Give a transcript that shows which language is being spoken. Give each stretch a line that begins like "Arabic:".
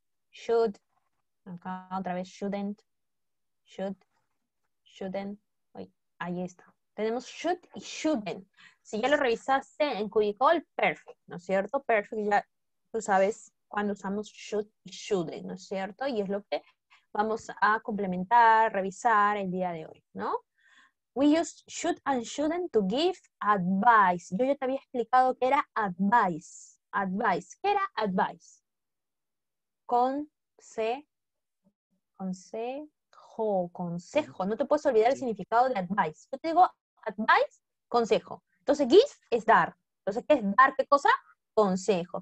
Spanish: Should, acá otra vez, shouldn't, should, shouldn't, uy, ahí está. Tenemos should y shouldn't. Si ya lo revisaste en Cubicol, perfect, ¿no es cierto? Perfect, ya tú sabes cuando usamos should y shouldn't, ¿no es cierto? Y es lo que vamos a complementar, revisar el día de hoy, ¿no?
English: We use should and shouldn't to give advice.
Spanish: Yo ya te había explicado que era advice. Advice. ¿Qué era advice? Consejo, no te puedes olvidar el significado de advice. Yo te digo advice, consejo. Entonces, give es dar. Entonces, ¿qué es dar? ¿Qué cosa? Consejo.